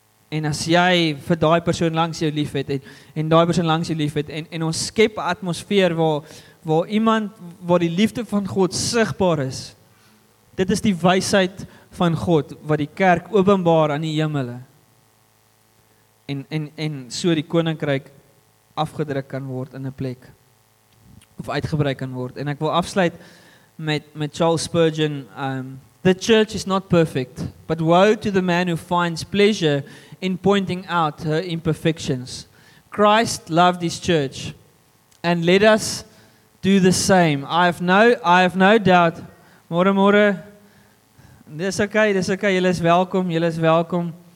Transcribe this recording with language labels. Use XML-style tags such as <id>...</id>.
<af>En as jy vir daai persoon langs jou lief het, en daai persoon langs jou lief het, en ons skep 'n atmosfeer waar die liefde van God sigbaar is, dit is die wysheid van God wat die kerk openbaar aan die hemele. En so die koninkryk afgedruk kan word in 'n plek. Of uitgebrei kan word. En ek wil afsluit met Charles Spurgeon.</af> <en>The church is not perfect, but woe to the man who finds pleasure in pointing out her imperfections. Christ loved his church, and let us do the same. I have no doubt.</en> <af>Môre. Dis okay, julle is welkom.</af>